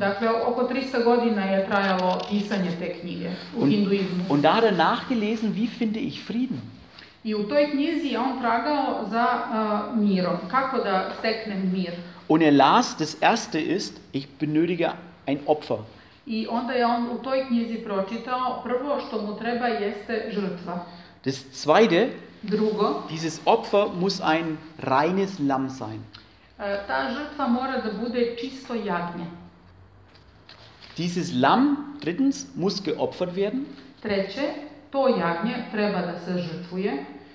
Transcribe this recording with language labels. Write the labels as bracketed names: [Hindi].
[Serbian] Dakle, oko 300 godina je trajalo pisanje te knjige u hinduizmu. [German] Und da hat er nachgelesen, wie finde ich Frieden? [Serbian] I u toj knjizi on tragao za mirom. Kako da steknem mir? [German] Und er las, das erste ist, ich benötige ein Opfer. [Serbian] I onda je on u toj knjizi pročitao, prvo što mu treba jeste žrtva. [German] Das zweite, [Serbian] drugo, [German] dieses Opfer muss ein reines Lamm sein. [Serbian] Ta žrtva mora da bude čisto jagnje. [German] Dieses Lamm, drittens, muss geopfert werden. [Serbian] Treće, to jagnje treba da se žrtvuje.